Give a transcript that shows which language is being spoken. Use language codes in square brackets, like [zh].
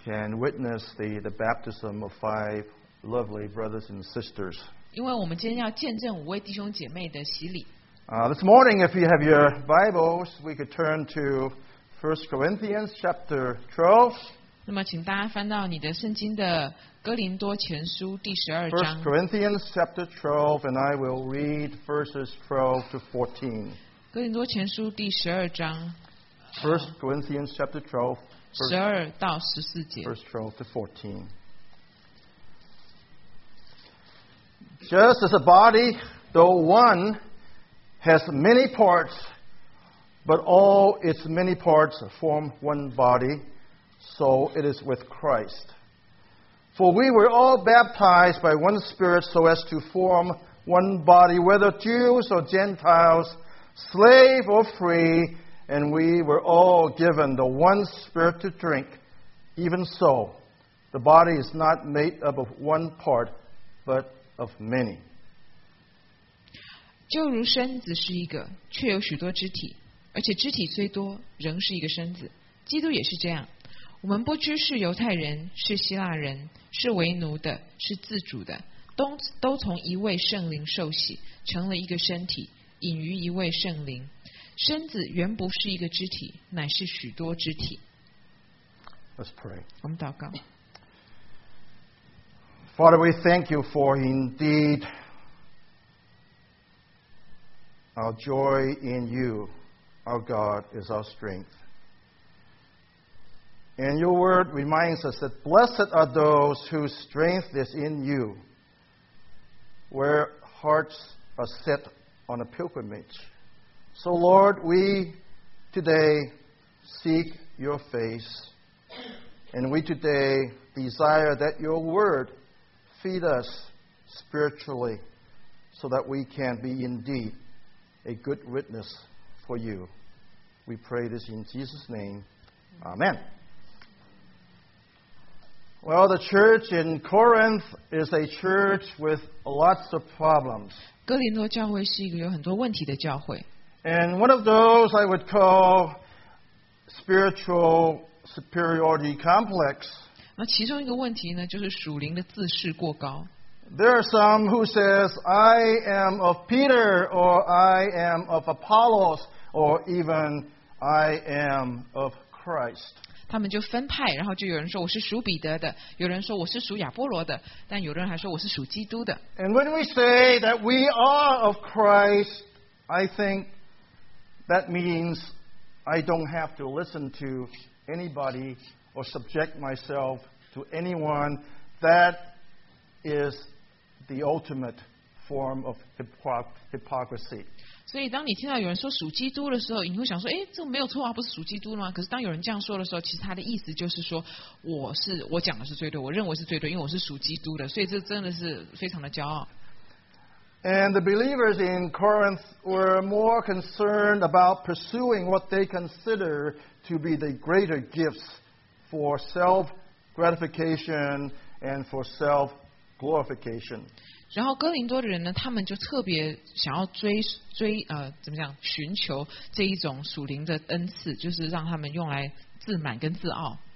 [en] Can witness the baptism of five lovely brothers and sisters. [zh] 因为我们今天要见证五位弟兄姐妹的洗礼。 [en] This morning, if you have your Bibles, we could turn to 1 Corinthians chapter 12. [zh] 那么请大家翻到你的圣经的哥林多前书第十二章。 [en] 1 Corinthians chapter 12, and I will read verses 12 to 14. [zh] 哥林多前书第十二章 [en] First Corinthians chapter 12 [zh] 十二到十四节 [en] First 12 to 14 Just as a body, though one has many parts, but all its many parts form one body, so it is with Christ. For we were all baptized by one Spirit so as to form one body, whether Jews or Gentiles,Slave or free, and we were all given the one spirit to drink. Even so, the body is not made up of one part, but of many. [zh] 就如身子是一个，却有许多肢体，而且肢体虽多，仍是一个身子。基督也是这样。我们不知是犹太人，是希腊人，是为奴的，是自主的，都从一位圣灵受洗，成了一个身体。隐于一位圣灵，身子原不是一个肢体，乃是许多肢体。 [en] Let's pray. [zh] 我们祷告。 [en] Father, we thank you for indeed our joy in you, our God is our strength. And your word reminds us that blessed are those whose strength is in you, where hearts are set. On a pilgrimage. So, Lord, we today seek your face, and we today desire that your word feed us spiritually so that we can be indeed a good witness for you. We pray this in Jesus' name. Amen. Well, the church in Corinth is a church with lots of problems. [zh] 哥林多教会是一个有很多问题的教会。 [en] And one of those I would call spiritual superiority complex. [zh] 那其中一个问题呢，就是属灵的自视过高。 [en] There are some who says I am of Peter or I am of Apollos or even I am of Christ. [zh] 他们就分派，然后就有人说我是属彼得的，有人说我是属亚波罗的，但有人还说我是属基督的。 [en] And when we say that we are of Christ, I think that means I don't have to listen to anybody or subject myself to anyone. That is the ultimate form of hypocrisy. [zh] 所以当你听到有人说属基督的时候，你会想说，诶，这没有错啊，不是属基督吗？可是当有人这样说的时候，其实他的意思就是说，我讲的是最对，我认为是最对，因为我是属基督的，所以这真的是非常的骄傲。 [en] And the believers in Corinth were more concerned about pursuing what they consider to be the greater gifts for self-gratification and for self-glorification. [zh] 然后哥林多的人呢，他们就特别想要怎么讲？寻求这一种属灵的恩赐，就是让他们用来自满跟自傲。